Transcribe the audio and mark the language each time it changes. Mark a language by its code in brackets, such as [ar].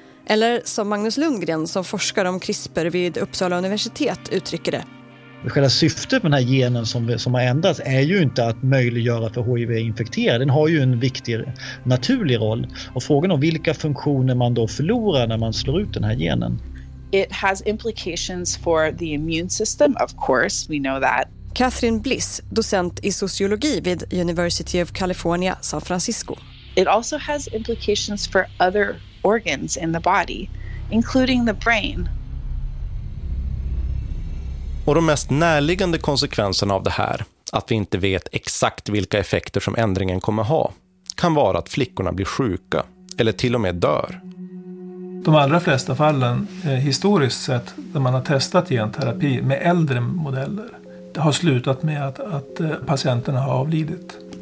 [sv] Eller som Magnus Lundgren som forskar om CRISPR vid Uppsala universitet uttrycker det. Själva syftet med den här genen som har ändrats är ju inte att möjliggöra för HIV-infekterade. Den har ju en viktig naturlig roll. Och frågan om vilka funktioner man då förlorar när man slår ut den här genen. [en] It has implications for the immune system, of course, we know that. [sv] Catherine Bliss, docent i sociologi vid University of California, San Francisco. [en] It also has implications for other organs in the body, including the brain. [sv] Och de mest närliggande konsekvenserna av det här, att vi inte vet exakt vilka effekter som ändringen kommer ha, kan vara att flickorna blir sjuka eller till och med dör. De allra flesta fallen, historiskt sett, där man har testat genterapi med äldre modeller, det har slutat med att patienterna har avlidit.